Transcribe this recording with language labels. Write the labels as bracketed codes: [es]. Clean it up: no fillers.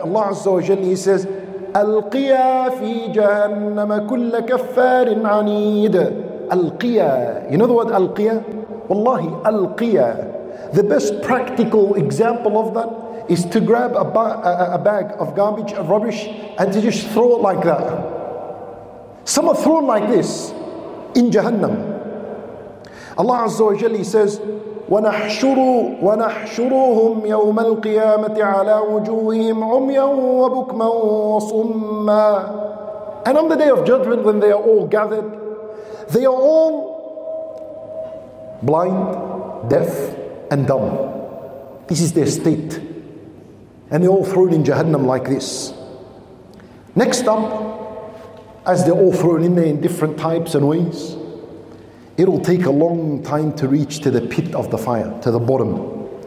[en] Allah Azza wa Jalla, He says, [ar] Al-qiya fi jahannama kulla kaffarin anid. [en] Al-qiya. You know the word al-qiya? Wallahi, al-qiya. The best practical example of that is to grab a bag of garbage, of rubbish, and to just throw it like that. Some are thrown like this in Jahannam. Allah Azza wa Jalla says, [ar] وَنَحْشُرُهُمْ يَوْمَ الْقِيَامَةِ عَلَىٰ وُجُوهِهِمْ عُمْيًا وَبُكْمًا وَصُمًّا. [en] And on the day of judgment, when they are all gathered, they are all blind, deaf, and dumb. This is their state. And they're all thrown in Jahannam like this. Next up, as they're all thrown in there in different types and ways, it'll take a long time to reach to the pit of the fire, to the bottom.